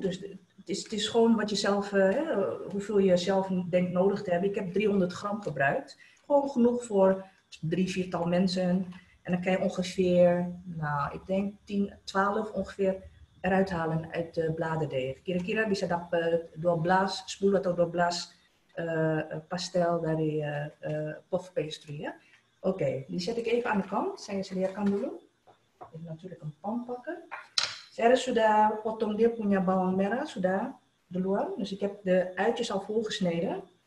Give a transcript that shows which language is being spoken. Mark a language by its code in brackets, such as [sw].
[nl] Dus het is gewoon wat je zelf hoeveel je zelf denkt nodig te hebben. Ik heb 300 gram gebruikt. Gewoon genoeg voor 3-4 mensen. En dan kan je ongeveer, nou, ik denk 10-12 ongeveer eruit halen uit de bladerdeeg. [id] Kira-kira bisa dapat 12 spoelen atau 12 pastel dari puff pastry, ya. [nl] Oké, die zet ik even aan de kant. [id] Saya sedia kan dulu. [nl] Ik heb natuurlijk een pan pakken. [id] Saya sudah potong dia punya bawang merah, sudah duluan. [nl] Dus ik heb de uitjes al volgesneden.